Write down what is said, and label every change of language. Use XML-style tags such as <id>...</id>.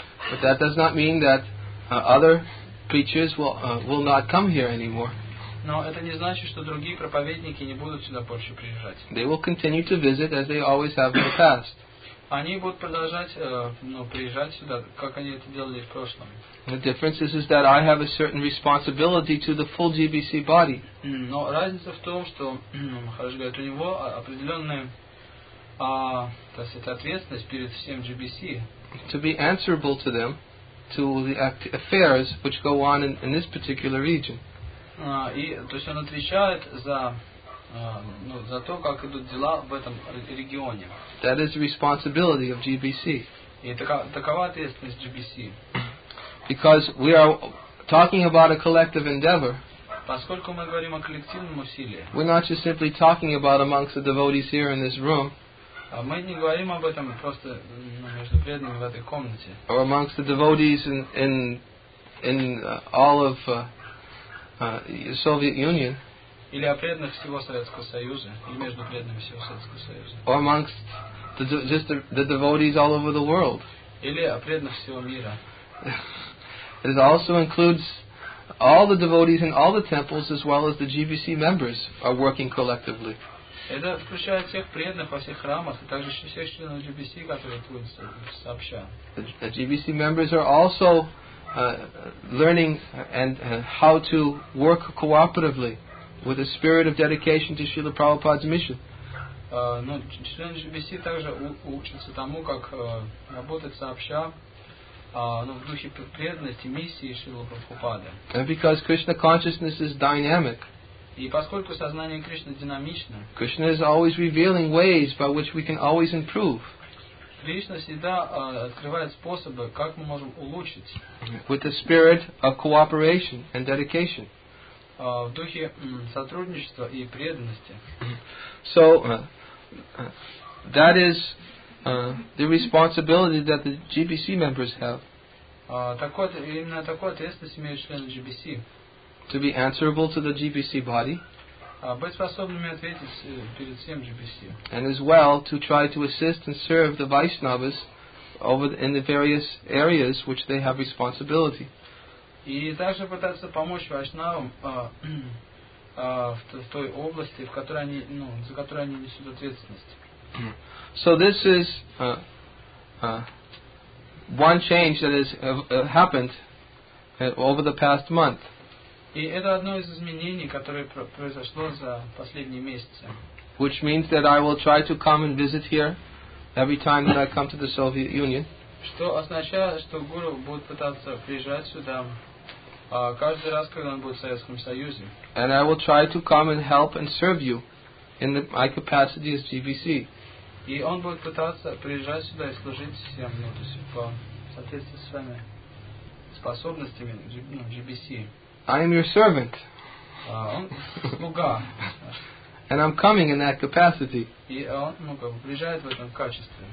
<en>But that does not mean that other preachers will not come here anymore.</en> <ru>Но это не значит, что другие проповедники не будут сюда больше приезжать.</ru> <en>They will continue to visit as they always have in the past.</en> <ru>Они будут продолжать, ну, приезжать сюда, как они это делали в прошлом.</ru> <en>The difference is that I have a certain responsibility to the full GBC body.</en> <ru>Но разница в том, что, хорошо говоря, у него определенная, так сказать, ответственность перед всем GBC.</ru> <en>To be answerable to them, to the affairs which go on in this particular region.</en> <ru>И, то есть он отвечает за... ну, за то, как идут дела в этом регионе.</ru> <en>That is the responsibility of GBC.</en> <ru>И такова ответственность GBC.</ru> <en>Because we are talking about a collective endeavor.</en> <ru>Поскольку мы говорим о коллективном усилии.</ru> <en>We're not just simply talking about amongst the devotees here in this room.</en> <ru>Мы не говорим об этом просто между преданными в этой комнате.</ru> <en>Or amongst the devotees in all of Soviet Union.</en> <ru>Или о преданных всего Советского Союза, или между преданными всего Советского Союза.</ru> <en>Or amongst the devotees all over the world.</en> <ru>Или о преданных всего мира.</ru> <en>It also includes all the devotees in all the temples, as well as the GBC members are working collectively.</en> <ru>Это включает всех преданных во всех храмах, и также всех членов GBC, которые трудятся сообща.</ru> <en>The GBC members are also learning and how to work cooperatively. With a spirit of dedication to Srila Prabhupada's mission.</en> <ru>Ну, член GBC также учится тому, как работать сообща, ну, в духе преданности миссии Шрилы Прабхупады.</ru> <en>And because Krishna consciousness is dynamic.</en> <ru>И поскольку сознание Кришны динамично.</ru> <en>Krishna is always revealing ways by which we can always improve.</en> <ru>Кришна всегда открывает способы, как мы можем улучшить.</ru> <en>With a spirit of cooperation and dedication.</en> <ru>В духе сотрудничества и преданности.</ru> <en>So that is the responsibility that the GBC members have.</en> <ru>Именно такой ответственность имеют члены GBC.</ru> <en>To be answerable to the GBC body.</en> <ru>Быть способными ответить перед всем GBC.</ru> <en>And as well to try to assist and serve the Vaishnavas over in the various areas which they have responsibility.</en> <ru>И также пытаться помочь вайшнавам в той области, в которой они, ну, за которую они несут ответственность.</ru> <en>So this is one change that has happened over the past month.</en> <ru>И это одно из изменений, которое произошло за последние месяцы.</ru> <en>Which means that I will try to come and visit here every time that I come to the Soviet Union.</en> <ru>Что означает, что гуру будет пытаться приезжать сюда. Каждый раз, когда он будет в Советском Союзе.</ru> <en>And I will try to come and help and serve you in my capacity as GBC.</en> <ru>И он будет пытаться приезжать сюда и служить всем, ну, то есть, по соответствии с своими способностями, ну, GBC.</ru> <en>I am your servant.</en> <ru>Слуга.</ru> <en>And I'm coming in that capacity.</en> <ru>И он, ну, как бы, приезжает в этом качестве.</ru>